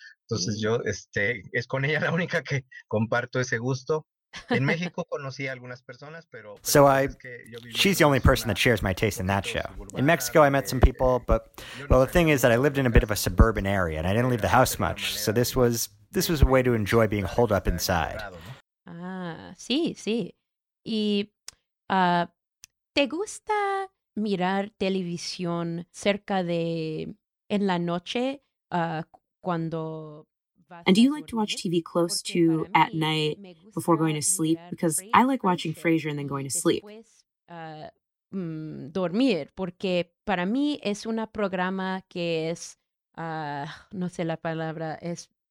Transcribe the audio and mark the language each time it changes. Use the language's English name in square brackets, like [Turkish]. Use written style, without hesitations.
[Spanish] Entonces yo, es con ella la única que comparto ese gusto. En México conocí algunas personas, pero [English] so I, she's the only person that shares my taste in that show. In Mexico, I met some people, but, well, the thing is that I lived in a bit of a suburban area, and I didn't leave the house much, so this was a way to enjoy being holed up inside. [Spanish] Ah, sí, sí. ¿Y te gusta mirar televisión cerca de en la noche cuando... [English] And do you like to watch TV close to at night before going to sleep? Because I like watching Frasier and then going to sleep. [Spanish] Dormir, porque para mí es una programa que es, no sé la palabra, es